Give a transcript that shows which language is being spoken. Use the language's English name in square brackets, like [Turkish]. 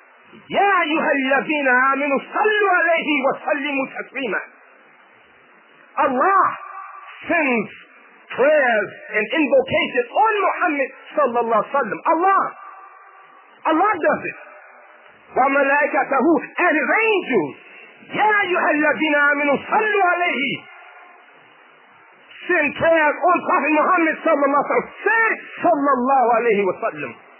[Arabic] يا أيها الذين آمنوا صلوا عليه وسلموا تسليما. [English] Allah sends prayers and invocations on Muhammad [Arabic] صلى الله عليه وسلم. [English] Allah does it. [Arabic] وملائكته [English] and his angels. [Arabic] يا أيها الذين آمنوا صلوا عليه. [English] Send prayers on Prophet Muhammad [Arabic] صلى الله عليه وسلم. [English] Say [Arabic] صلى الله عليه وسلم.